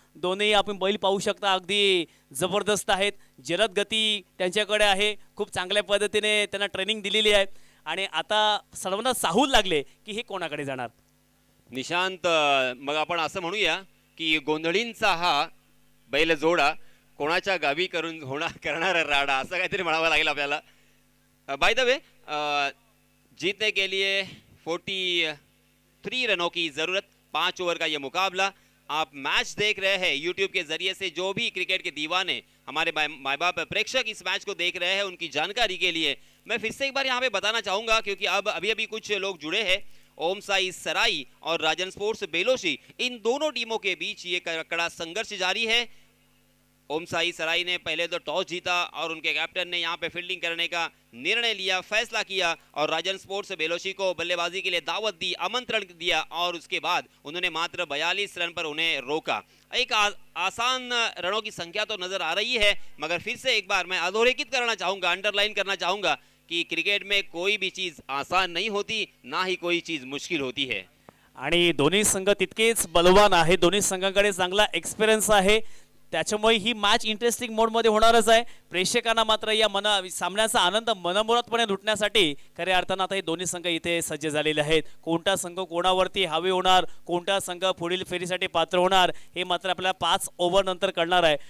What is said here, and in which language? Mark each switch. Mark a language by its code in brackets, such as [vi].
[mr] दोन्ही आपण बैल पाहू शकता, अगदी जबरदस्त आहेत, जलद गती त्यांच्याकडे आहे, खूप चांगल्या पद्धतीने त्यांना ट्रेनिंग दिलेली आहे. आणि आता सर्वांना चाहूल लागले की हे कोणाकडे जाणार. निशांत, मग आपण असं म्हणूया की गोंधळींचा हा बैल जोडा कोणाच्या गावी करून होणार करणार राडा, असं काहीतरी म्हणावं लागेल आपल्याला. [en] by the way, [hi] जीतने के लिए 43 रनों की जरूरत, 5 ओवर का ये मुकाबला. आप मैच देख रहे हैं यूट्यूब के जरिए से. जो भी क्रिकेट के दीवाने हमारे माय बाप प्रेक्षक इस मैच को देख रहे हैं, उनकी जानकारी के लिए मैं फिर से एक बार यहाँ पे बताना चाहूंगा, क्योंकि अब अभी अभी कुछ लोग जुड़े हैं. ओम साई सराई और राजन स्पोर्ट्स बेलोशी, इन दोनों टीमों के बीच ये कड़ा संघर्ष जारी है. ओम साई सराई ने पहले तो टॉस जीता और उनके कैप्टन ने यहाँ पे फील्डिंग करने का निर्णय लिया, फैसला किया, और राजन स्पोर्ट्स बेलोशी को बल्लेबाजी के लिए दावत दी, आमंत्रण दिया, और उसके बाद उन्होंने मात्र 42 रन पर उन्हें रोका. एक आसान रनों की संख्या तो नजर आ रही है, मगर फिर से एक बार मैं अधोरेखित करना चाहूंगा, अंडरलाइन करना चाहूंगा कि क्रिकेट में कोई भी चीज आसान नहीं होती, ना ही कोई चीज मुश्किल होती है. [mr] आणि दोन्ही संघ तितकेच बलवान आहे, दोन्ही संघांकडे चांगला एक्सपिरियन्स आहे, त्याच्यामुळे ही मॅच इंटरेस्टिंग मोड मध्ये होणारच आहे. प्रेक्षकांना मात्र या मना सामन्याचा आनंद मनमुरतपणे लुटण्यासाठी खऱ्या अर्थानं आता हे दोन्ही संघ इथे सज्ज झालेले आहेत. कोणता संघ कोणावरती हवे होणार, कोणता संघ पुढील फेरीसाठी पात्र होणार, हे मात्र आपल्याला 5 ओव्हर नंतर कळणार आहे.